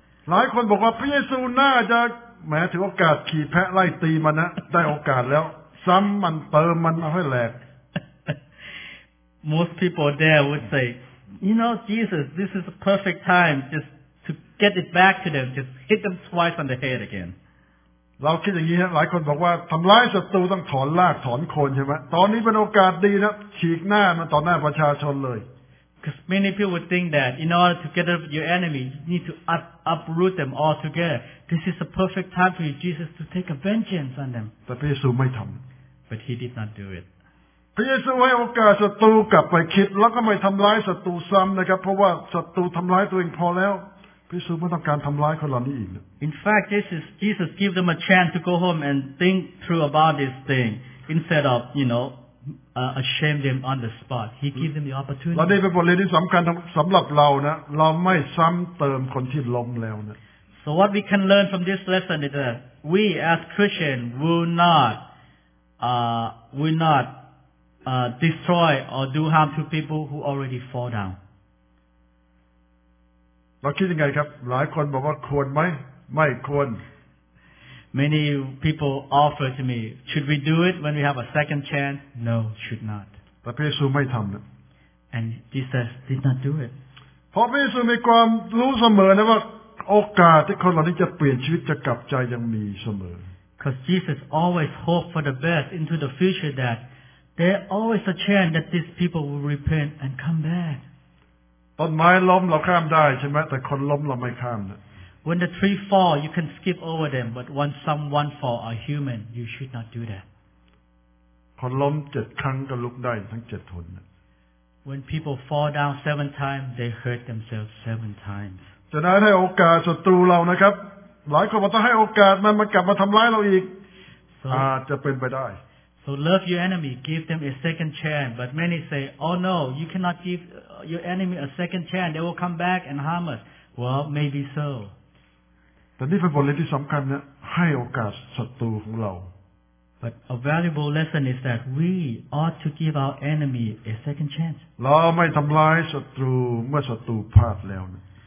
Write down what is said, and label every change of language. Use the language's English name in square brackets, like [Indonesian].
[Thai] หลายคนบอกว่าพระเยซูน่าจะแม้ถือโอกาสขี่แพะไล่ตีมันนะได้โอกาสแล้วซ้ำมันเติมมันเอาให้แหลก [English] Most people there would say, you know, Jesus, this is a perfect time just to get it back to them, just hit them twice on the head again. [Thai] เราคิดอย่างนี้ฮะหลายคนบอกว่าทำร้ายศัตรูต้องถอนรากถอนโคนใช่ไหมตอนนี้เป็นโอกาสดีนะฉีกหน้ามันต่อหน้าประชาชนเลย [English] Because many people would think that in order to get rid of your enemy, you need to uproot them all together. This is the perfect time for you, Jesus, to take a vengeance on them. [Thai] แต่พระเยซูไม่ทำ [English] But he did not do it. [Thai] พระเยซูให้โอกาสศัตรูกลับไปคิดแล้วก็ไม่ทำร้ายศัตรูซ้ำนะครับเพราะว่าศัตรูทำร้ายตัวเองพอแล้วพระเยซูไม่ต้องการทำร้ายคนเหล่านี้อีก [English] In fact, Jesus gave them a chance to go home and think through about this thing instead of, you know,ashamed them on the spot. He gives them the opportunity. [Thai] และนี่เป็นบทเรียนที่สำคัญสำหรับเรานะเราไม่ซ้ำเติมคนที่ล้มแล้วนะ [English] So what we can learn from this lesson is that we as Christians will not destroy or do harm to people who already fall down. [Thai] เราคิดยังไงครับหลายคนบอกว่าควรไหมไม่ควร [English] Many people offer to me, should we do it when we have a second chance? No, should not. But [Thai] พระเยซูไม่ทำนะ [English] And Jesus did not do it. [Thai] เพราะพระเยซูมีความรู้เสมอนะว่าโอกาสที่คนเหล่านี้จะเปลี่ยนชีวิตจะกลับใจยังมีเสมอ [English] Because Jesus always hoped for the best into the future that there always a chance that these people will repent and come back. [Thai] ต้นไม้ล้มเราข้ามได้ใช่ไหมแต่คนล้มเราไม่ข้ามนะ [English] When the tree fall, you can skip over them, but when someone fall, a human, you should not do that. [Thai] คนล้ม7ครั้งก็ลุกได้ทั้ง7หน [English] When people fall down 7 times, they hurt themselves 7 times. [Thai] ฉะนั้นให้โอกาสศัตรูเรานะครับหลายคนบอกต้องให้โอกาสมันมากลับมาทำร้ายเราอีกอาจจะเป็นไปได้ [English] So love your enemy, give them a second chance, but many say, oh no, you cannot give your enemy a second chance, they will come back and harm us. Well, maybe so. [Thai] แต่นี่เป็นบทเรียนที่สำคัญนะให้โอกาสศัตรูของเรา [English] But a valuable lesson is that we ought to give our enemy a second chance. [Thai] เราไม่ทำร้ายศัตรูเมื่อศัตรูพลาดแล้วนะ